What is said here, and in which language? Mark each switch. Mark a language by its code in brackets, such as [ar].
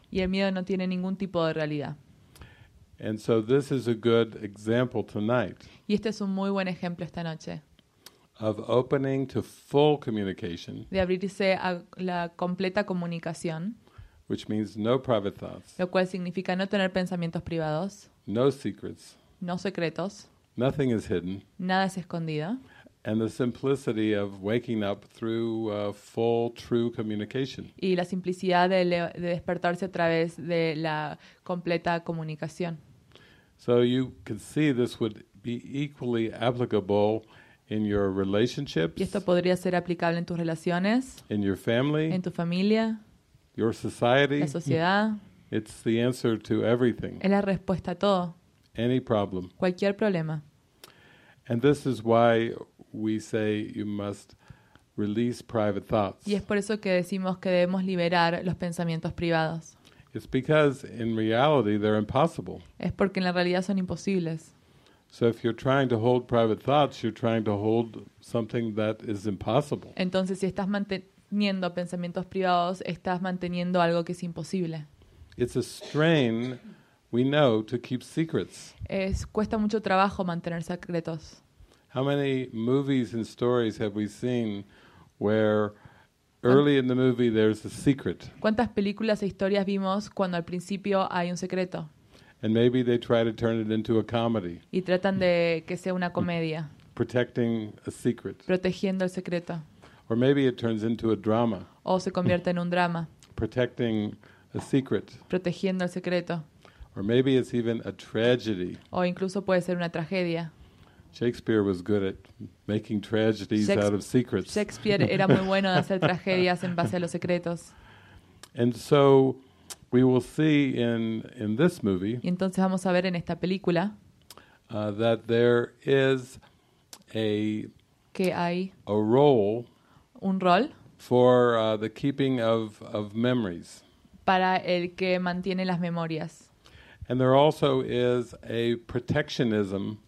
[es] Y el miedo no tiene ningún tipo de realidad. [en] And so this is a good example tonight. [es] Y este es un muy buen ejemplo esta noche. [en] Of opening to full communication. [es] De abrirse a la completa comunicación. [en] Which means no private thoughts. [es] Lo cual significa no tener pensamientos privados. [en] No secrets. [es] No secretos. [en] Nothing is hidden. [es] Nada es escondido. [en] And the simplicity of waking up through full, true communication. [es] Y la simplicidad de despertarse a través de la completa comunicación. [en] So you can see this would be equally applicable in your relationships. [es] Y esto podría ser aplicable en tus relaciones. [en] In your family. [es] En tu familia. [en] Your society. [es] La sociedad. [en] It's the answer to everything. [es] Es la respuesta a todo. [en] Any problem. [es] Cualquier problema. [en] And this is why we say you must release private thoughts. [es] Y es por eso que decimos que debemos liberar los pensamientos privados. [en] It's because in reality they're impossible. [es] Es porque en la realidad son imposibles. [en] So if you're trying to hold private thoughts, you're trying to hold something that is impossible. [es] Entonces, si estás manteniendo pensamientos privados, estás manteniendo algo que es imposible. [en] It's a strain, we know, to keep secrets. [es] Cuesta mucho trabajo mantener secretos. [en] How many movies and stories have we seen where early in the movie there's a secret? [es] ¿Cuántas películas e historias vimos cuando al principio hay un secreto? [en] And maybe they try to turn it into a comedy. [es] Y tratan de que sea una comedia. [en] Protecting a secret. [es] Protegiendo el secreto. [en] Or maybe it turns into a drama. [es] O se convierte en un drama. [en] Protecting a secret. [es] Protegiendo el secreto. [en] Or maybe it's even a tragedy. [es] O incluso puede ser una tragedia. [en] Shakespeare was good at making tragedies out of secrets. [es] Shakespeare era muy bueno de hacer tragedias en base a los secretos. [en] And so we will see in this movie. [es] Y entonces vamos a ver en esta película [en] that there is a [es] que hay [en] a role [es] un rol [en] for the keeping of memories [es] para el que mantiene las memorias. [en] And there also is a protectionism.